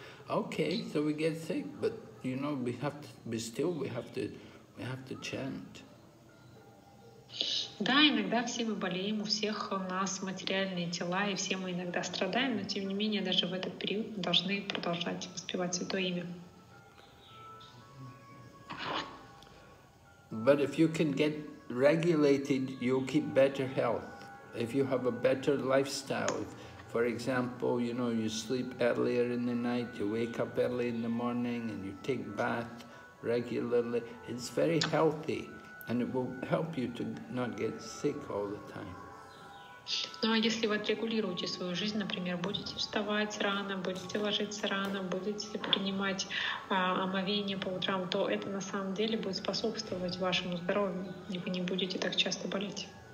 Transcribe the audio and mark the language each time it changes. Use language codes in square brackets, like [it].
[en] Okay, so we get sick, but you know we have to chant. [ru] Да, иногда все мы болеем, у всех у нас материальные тела, и все мы иногда страдаем, но тем не менее, даже в этот период мы должны продолжать воспевать Святое Имя. [en] But if you can get regulated, you'll keep better health. If you have a better lifestyle, for example, you know, you sleep earlier in the night, you wake up early in the morning, and you take bath regularly, it's very healthy. And it will help you to not get sick all the time. [ru] Ну, а если вы отрегулируете свою жизнь, например, будете вставать рано, будете ложиться рано, будете принимать омовение по утрам, то это на самом деле будет способствовать вашему здоровью, и вы не будете так часто болеть.